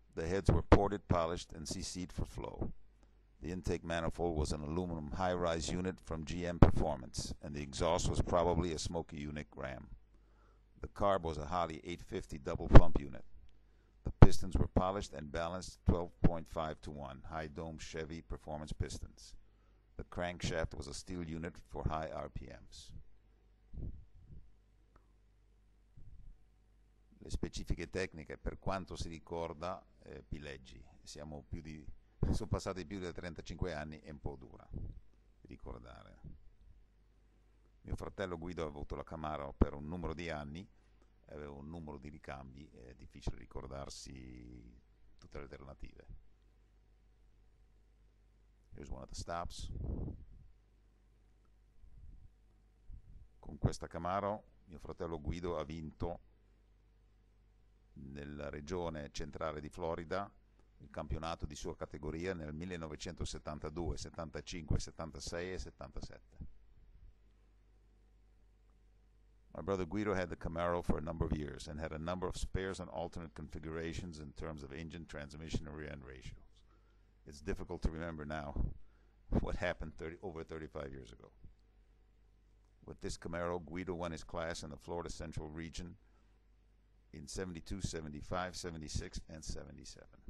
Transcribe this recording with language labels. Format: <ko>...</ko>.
<en>The heads were ported, polished, and CC'd for flow. The intake manifold was an aluminum high-rise unit from GM Performance, and the exhaust was probably a smoky unit ram. The carb was a Holley 850 double pump unit. The pistons were polished and balanced 12.5:1 high-dome Chevy performance pistons. The crankshaft was a steel unit for high RPMs.</en> <it>Le specifiche tecniche, per quanto si ricorda, Pileggi, sono passati più di 35 anni, è un po' dura ricordare. Mio fratello Guido ha avuto la Camaro per un numero di anni, aveva un numero di ricambi, è difficile ricordarsi tutte le alternative.</it> <en>Here's one of the stops.</en> <it>Con questa Camaro, mio fratello Guido ha vinto nella regione centrale di Florida il campionato di sua categoria nel 1972, 75, 76 e 77.</it> <en>My brother Guido had the Camaro for a number of years and had a number of spares and alternate configurations in terms of engine, transmission and rear end ratio. It's difficult to remember now what happened over 35 years ago. With this Camaro, Guido won his class in the Florida Central Region in 72, 75, 76, and 77.</en>